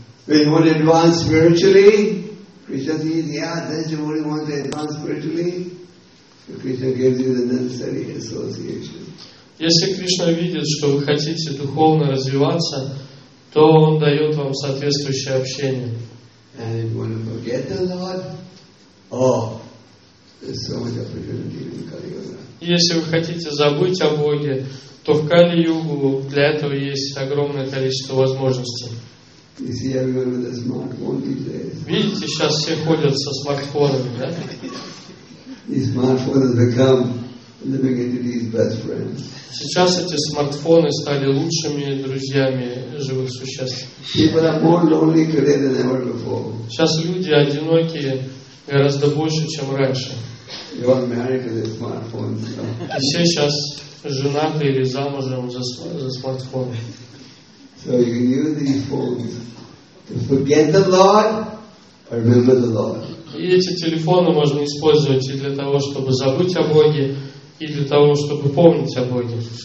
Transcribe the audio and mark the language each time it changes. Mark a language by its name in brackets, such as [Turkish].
[Russian] Если Кришна видит, что вы хотите духовно развиваться, то Он дает вам соответствующее общение. [English] And if you want to forget the Lord, oh, there's so much opportunity in Kali Yuga. [Russian] Если вы хотите забыть о Боге, то в Кали Югу для этого есть огромное количество возможностей. [English] You see everyone with a smartphone these days. [Russian] Видите, сейчас все ходят со смартфонами, да? [English] These smartphones have become the beginning of best friends. [Russian] Сейчас эти смартфоны стали лучшими друзьями живых существ. Сейчас люди одинокие гораздо больше, чем раньше. И все сейчас женаты или замужем за смартфоны. [English] So you can use these phones to forget the Lord or remember the Lord. [Russian] И эти телефоны можно использовать и для того, чтобы забыть о Боге, и для того, чтобы помнить о Боге.